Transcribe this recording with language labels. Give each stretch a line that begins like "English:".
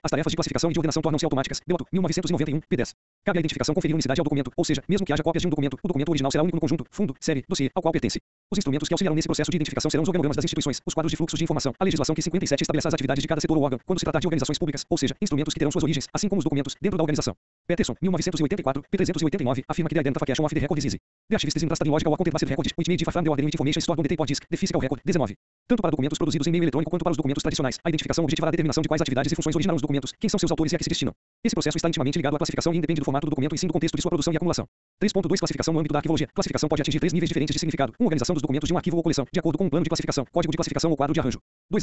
Portuguese: As tarefas de classificação e de ordenação tornam-se automáticas. Belotto, 1991, p. 10. Cabe a identificação conferir unicidade ao documento, ou seja, mesmo que haja cópias de um documento, o documento original será único no conjunto, fundo, série, dossiê, ao qual pertence. Os instrumentos que auxiliarão nesse processo de identificação serão os organogramas das instituições, os quadros de fluxos de informação, a legislação que 57 estabelece as atividades de cada setor ou órgão, quando se tratar de organizações públicas, ou seja, instrumentos que terão suas origens, assim como os documentos, dentro da organização.
English: Peterson, 1984, p. 389,
Portuguese: afirma que
English: the identification of the record is easy. The archivist is interested in logical or contemplated record, which may differ from the ordering of information stored on the tape or disk, the physical record, 19.
Portuguese: Tanto para documentos produzidos em meio eletrônico quanto para os documentos tradicionais, a identificação objetivará a determinação de quais atividades e funções originaram os documentos, quem são seus autores e a que se destinam. Esse processo está intimamente ligado à classificação e independe do formato do documento e sim do contexto de sua produção e acumulação. 3.2. Classificação no âmbito da arquivologia. Classificação pode atingir 3 níveis diferentes de significado. 1. Organização dos documentos de um arquivo ou coleção, de acordo com um plano de classificação, código de classificação ou quadro de arranjo. 2.